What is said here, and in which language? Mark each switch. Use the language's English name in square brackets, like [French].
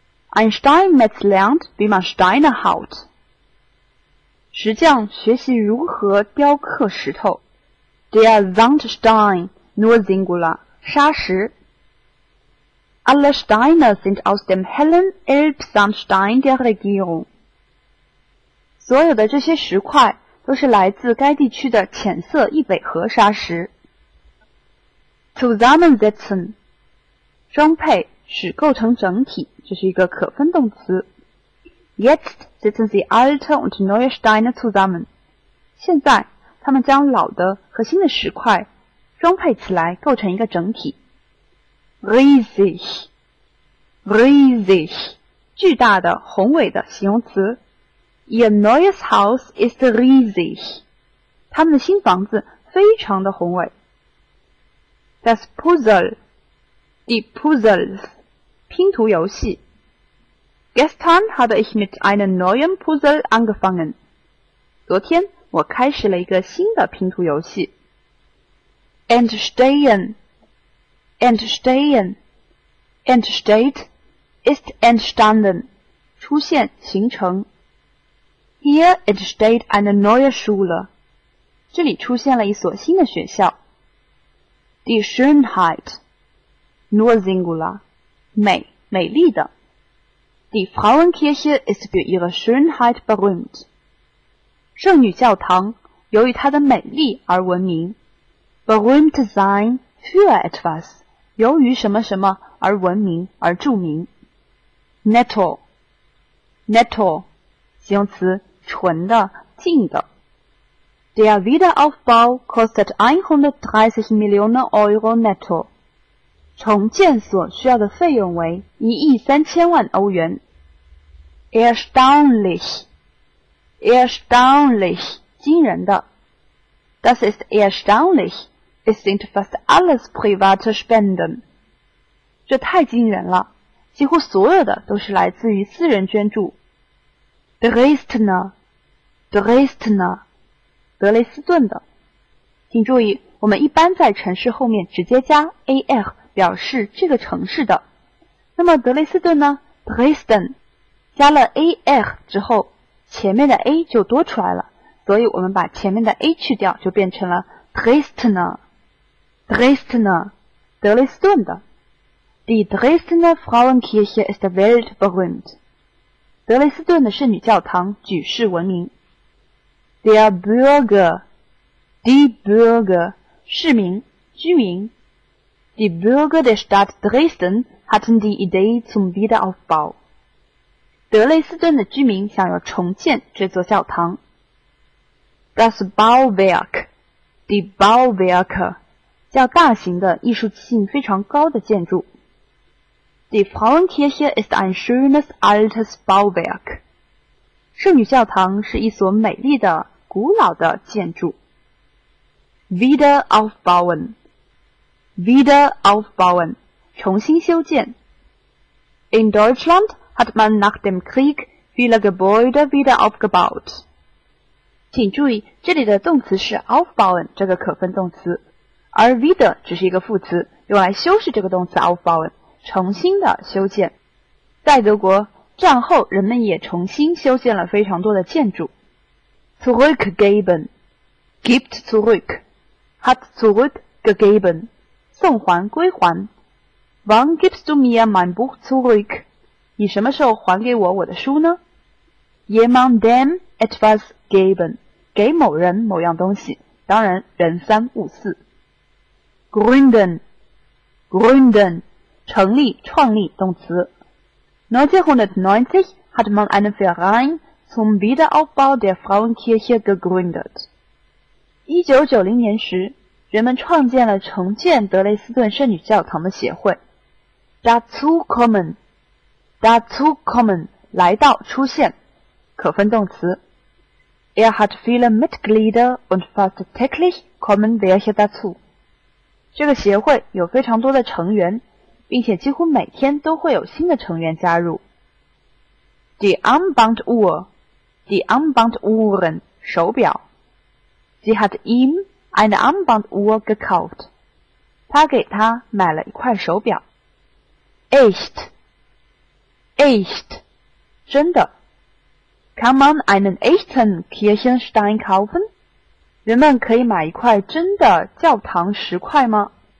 [German] Ein Steinmetz lernt, wie man Steine haut. [Chinese] 石匠学习如何雕刻石头。 [German] Der Sandstein, nur singular, [Chinese] 沙石。 [German] Alle Steine sind aus dem hellen Elbsandstein der Regierung. [Chinese] 所有的这些石块都是来自该地区的浅色易北河沙石。 [German] Zusammensetzen, [Chinese] 装配使构成整体，这是一个可分动词。 [German] Jetzt setzen sie alte und neue Steine zusammen. [Chinese] 现在他们将老的和新的石块装配起来，构成一个整体。 [German] Riesig, riesig, [Chinese] 巨大的、宏伟的形容词。 [German] Ihr neues Haus ist riesig. [Chinese] 他们的新房子非常的宏伟。 [German] Das Puzzle, die Puzzles, [Chinese] 拼图游戏。 [German] Gestern habe ich mit einem neuen Puzzle angefangen. [Chinese] 昨天我开始了一个新的拼图游戏。 [German] Entstehen, entstehen, entsteht, ist entstanden. [Chinese] 出现、形成。 [German] Here entsteht eine neue Schule. [Chinese] 这里出现了一所新的学校。 [German] Die Schönheit, nur singular, [Chinese] 美、美丽的。 [German] Die Frauenkirche ist für ihre Schönheit berühmt. [Chinese] 圣女教堂由于它的美丽而闻名。 [German] Berühmt sein für etwas, [Chinese] 由于什么什么而闻名、而著名。 [German] Nettle, nettle. [Chinese] 形容词，纯的、净的。 [German] Der Wiederaufbau kostet 130 Millionen Euro netto. [Chinese] 重建所需要的费用为1.3亿欧元。 [German] Erstaunlich, erstaunlich, [Chinese] 惊人的。 [German] Das ist erstaunlich, es sind fast alles private Spenden. [Chinese] 这太惊人了，几乎所有的都是来自于私人捐助。 [German] Dresdner, Dresdner, [Chinese] 德雷斯顿的。请注意，我们一般在城市后面直接加 AR 表示这个城市的。那么德雷斯顿呢 [German] ?Dresden, [Chinese] 加了 AR 之后前面的 A 就多出来了，所以我们把前面的 A 去掉就变成了 Dresdner, [German] Dresdner, [Chinese] 德雷斯顿的。 [German] Die Dresdner Frauenkirche ist weltberühmt. [Chinese] 德累斯顿的圣女教堂举世闻名。 [German] Der Bürger, die Bürger, [Chinese] 市民，居民。 [German] Die Bürger der Stadt Dresden hatten die Idee zum Wiederaufbau. [Chinese] 德累斯顿的居民想要重建这座教堂。 [German] Das Bauwerk, die Bauwerke, [Chinese] 叫大型的、艺术性非常高的建筑。 [German] Die Frauenkirche ist ein schönes altes Bauwerk. [Chinese] 圣女教堂是一所美丽的、古老的建筑。 [German] Wiederaufbauen, Wiederaufbauen, [Chinese] 重新修建。 [German] In Deutschland hat man nach dem Krieg viele Gebäude wieder aufgebaut. [Chinese] 请注意，这里的动词是 aufbauen 这个可分动词，而 wieder 只是一个副词，用来修饰这个动词 aufbauen。重新的修建。在德国战后，人们也重新修建了非常多的建筑。 [German] Zurückgeben, gibt zurück, hat zurückgegeben, [Chinese] 送还归还。 [German] Wann gibst du mir mein Buch zurück? [Chinese] 你什么时候还给我我的书呢？ [German] Jemandem etwas geben, [Chinese] 给某人某样东西，当然人三物四。 [German] Gründen, gründen, [Chinese] 成立、创立动词。 [German] 1990 hat man einen Verein zum Wiederaufbau der Frauenkirche gegründet. [Chinese] 1990年时，人们创建了重建德累斯顿圣女教堂的协会。 [German] Dazu kommen, [Chinese] 来到、出现，可分动词。 [German] Er hat viele Mitglieder und fast täglich kommen welche dazu. [Chinese] 这个协会有非常多的成员。并且几乎每天都会有新的成员加入。 [German] Die Armbanduhren, [Chinese] 手表。 [German] Sie hat ihm eine Armbanduhr gekauft. [Chinese] 他给他买了一块手表。 [German] Echt, [Chinese] 真的。 [German] Kann man einen echten Kirchenstein kaufen? [Chinese] 人们可以买一块真的教堂石块吗？